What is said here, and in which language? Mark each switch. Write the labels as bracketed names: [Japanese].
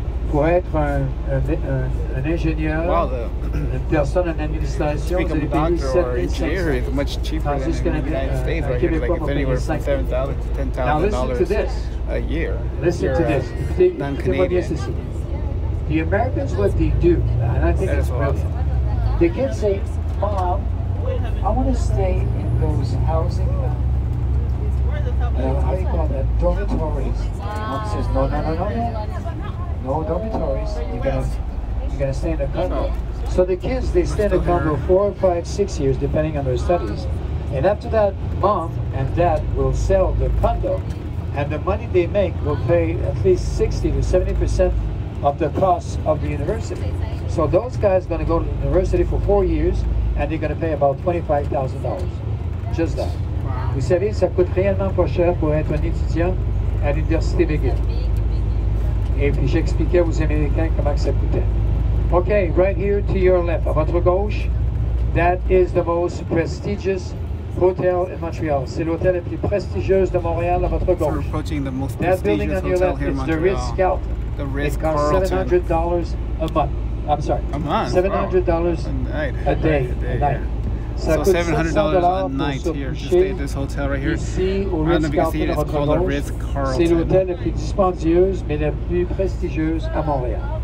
[French] Pour être un ingénieur, une personne en administration, vous allez payer 7,500. [English] Much cheaper than in the United States, right? Like, it's anywhere from $7,000 to $10,000 a year. Listen to this. Non-Canadian. The Americans, what they do, and I think it's brilliant. The kids say, Mom, I want to stay in those housing, how do you call that, dormitories. Mom says, no. No dormitories. You gotta stay in a condo. So the kids, they stay in a condo 4, 5, 6 years, depending on their studies. And after that, mom and dad will sell the condo, and the money they make will pay at least 60 to 70% of the cost of the university. So those guys are going to go to the university for 4 years, and they're going to pay about $25,000. Just that. Wow. [French] Vous savez, ça coûte réellement pas cher pour être un étudiant à l'université McGill. Et puis j'expliquais aux Américains comment ça coûtait. [English] Okay, right here to your left, [French] à votre gauche, [English] that is the most prestigious hotel in Montreal. [French] C'est l'hôtel le plus prestigieux de Montréal à votre gauche. [English] We're approaching the most prestigious hotel here in Montreal. The Ritz-Carlton. The Ritz-Carlton. It costs $700 a month. I'm sorry. A month. $700 a day. So $700 a night here, just stay at this hotel right here. I don't know if you can see it, it's called the Ritz-Carlton. [French] C'est l'hôtel le plus dispendieux, mais le plus prestigieux à Montréal.